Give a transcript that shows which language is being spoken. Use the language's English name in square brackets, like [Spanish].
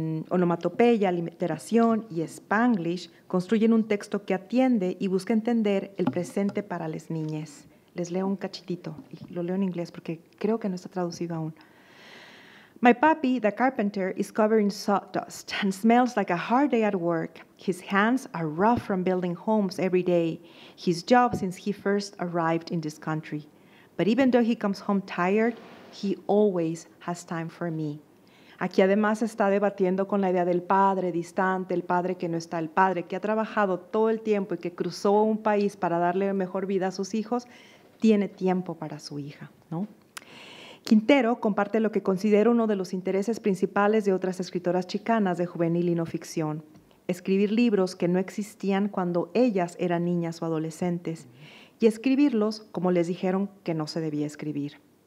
[Spanish] Onomatopeya, aliteración y Spanglish construyen un texto que atiende y busca entender el presente para las niñas. Les leo un cachitito, y lo leo en inglés porque creo que no está traducido aún. [English] My papi, the carpenter, is covered in sawdust and smells like a hard day at work. His hands are rough from building homes every day, his job since he first arrived in this country. But even though he comes home tired, he always has time for me. [Spanish] Aquí además está debatiendo con la idea del padre distante, el padre que no está, el padre que ha trabajado todo el tiempo y que cruzó un país para darle mejor vida a sus hijos, tiene tiempo para su hija, ¿no? Quintero comparte lo que considero uno de los intereses principales de otras escritoras chicanas de juvenil y no ficción: escribir libros que no existían cuando ellas eran niñas o adolescentes y escribirlos como les dijeron que no se debía escribir.